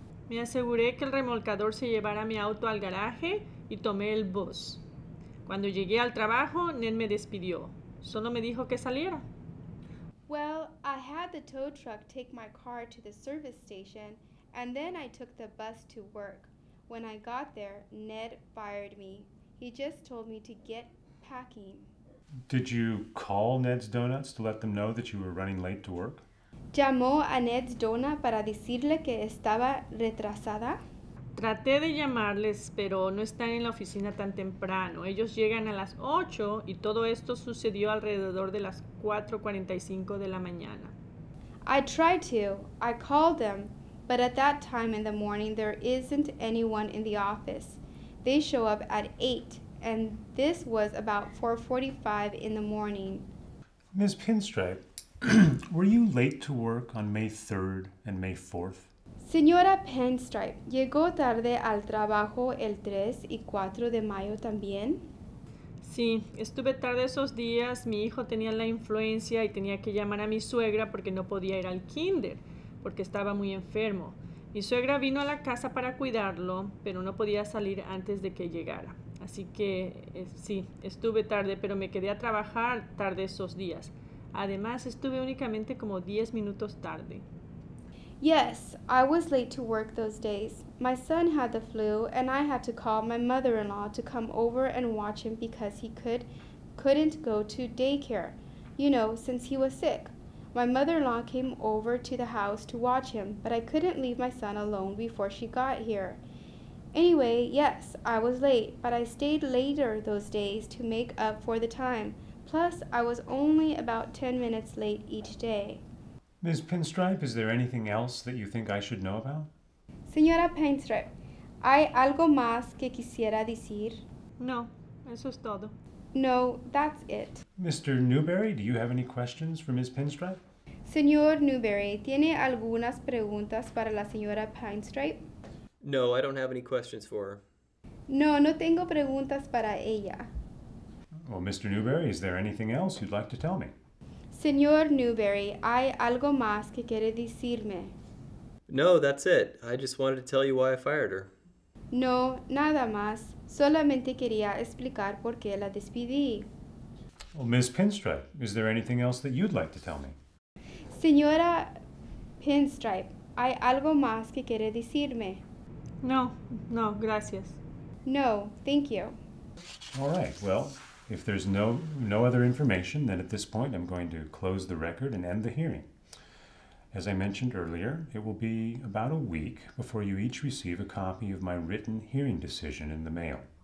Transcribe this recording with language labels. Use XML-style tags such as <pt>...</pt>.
<es>Me aseguré que el remolcador se llevara mi auto al garaje y tomé el bus. Cuando llegué al trabajo, Ned me despidió. Solo me dijo que saliera.</es> <en>Well, I had the tow truck take my car to the service station. And then I took the bus to work. When I got there, Ned fired me. He just told me to get packing. Did you call Ned's Donuts to let them know that you were running late to work?</en> <es>¿Llamó a Ned's Donuts para decirle que estaba retrasada? Traté de llamarles, pero no están en la oficina tan temprano. Ellos llegan a las 8 y todo esto sucedió alrededor de las 4:45 de la mañana.</es> <en>I tried to. I called them. But at that time in the morning, there isn't anyone in the office. They show up at 8, and this was about 4:45 in the morning. Ms. Pinstripe, were you late to work on May 3rd and May 4th?</en> <es>Señora Pinstripe, ¿llegó tarde al trabajo el 3 y 4 de mayo también? Sí, estuve tarde esos días. Mi hijo tenía la influenza y tenía que llamar a mi suegra porque no podía ir al kinder. Porque estaba muy enfermo. Mi suegra vino a la casa para cuidarlo, pero no podía salir antes de que llegara. Así que, sí, estuve tarde, pero me quedé a trabajar tarde esos días. Además, estuve únicamente como 10 minutos tarde.</es> <en>Yes, I was late to work those days. My son had the flu, and I had to call my mother-in-law to come over and watch him because he couldn't go to daycare, you know, since he was sick. My mother-in-law came over to the house to watch him, but I couldn't leave my son alone before she got here. Anyway, yes, I was late, but I stayed later those days to make up for the time. Plus, I was only about 10 minutes late each day. Ms. Pinstripe, is there anything else that you think I should know about?</en> <es>Señora Pinstripe, ¿hay algo más que quisiera decir? No, eso es todo.</es> <en>No, that's it. Mr. Newberry, do you have any questions for Ms. Pinstripe?</en> <es>Señor Newberry, ¿tiene algunas preguntas para la señora Pinstripe?</es> <en>No, I don't have any questions for her.</en> <es>No, no tengo preguntas para ella.</es> <en>Well, Mr. Newberry, is there anything else you'd like to tell me?</en> <es>Señor Newberry, ¿hay algo más que quiere decirme?</es> <en>No, that's it. I just wanted to tell you why I fired her.</en> <es>No, nada más. Solamente quería explicar por qué la despedí.</es> <en>Well, Ms. Pinstripe, is there anything else that you'd like to tell me?</en> <es>Señora Pinstripe, ¿hay algo más que quiere decirme? No, no, gracias.</es> <en>No, thank you. All right, well, if there's no other information, then at this point I'm going to close the record and end the hearing. As I mentioned earlier, it will be about a week before you each receive a copy of my written hearing decision in the mail.</en>